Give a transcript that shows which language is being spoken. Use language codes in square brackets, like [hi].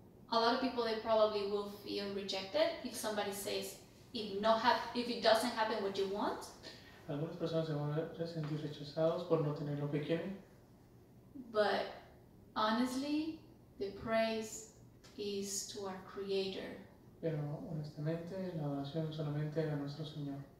[en] A lot of people, they probably will feel rejected if somebody says, if it doesn't happen what you want. [es] Algunas personas se van a sentir rechazados por no tener lo que quieren. [en] But honestly, the praise is to our Creator. [es] Pero honestamente, la adoración solamente a nuestro Señor.